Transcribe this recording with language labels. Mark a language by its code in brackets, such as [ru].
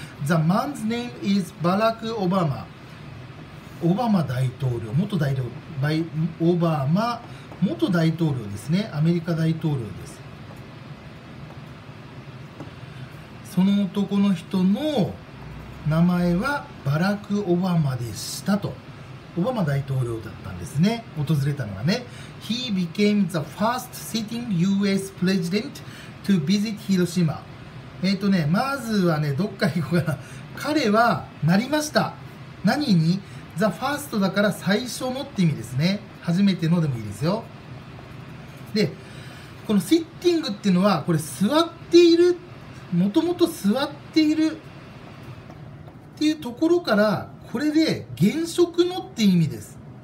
[en] The man's name is Barack Obama、 [ja] オバマ大統領、元大統領、オバマ元大統領ですね、アメリカ大統領です。その男の人の名前はバラク・オバマでしたと。オバマ大統領だったんですね、訪れたのはね。 [en] He became the first sitting US president to visit Hiroshima。 [ja] まずはね、どっか行こうかな。彼はなりました。何に？ [en] The first [ja] だから最初のって意味ですね。初めてのでもいいですよ。でこの sitting っていうのは、これ座っている、もともと座っているっていうところから、これで現職のって意味です。